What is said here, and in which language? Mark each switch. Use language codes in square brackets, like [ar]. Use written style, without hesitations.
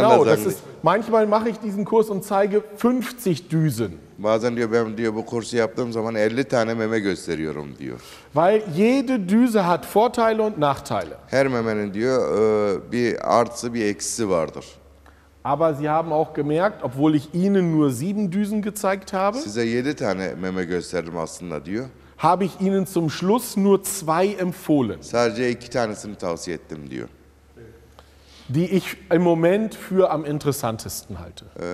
[de] Genau, das ist, manchmal mache ich diesen Kurs und zeige 50 Düsen. [tr] Bazen diyor, ben diyor bu kursu yaptığım zaman 50 tane meme gösteriyorum diyor. [de] Weil jede Düse hat Vorteile und Nachteile. [tr] Her memenin diyor bir artısı bir eksisi vardır. [de] Aber Sie haben auch gemerkt, obwohl ich Ihnen nur 7 Düsen gezeigt habe, [tr] size 7 tane meme gösterdim aslında diyor. [de] Habe ich Ihnen zum Schluss nur 2 empfohlen. [tr] Sadece 2 tanesini tavsiye ettim diyor. [de] Die ich im Moment für am interessantesten halte.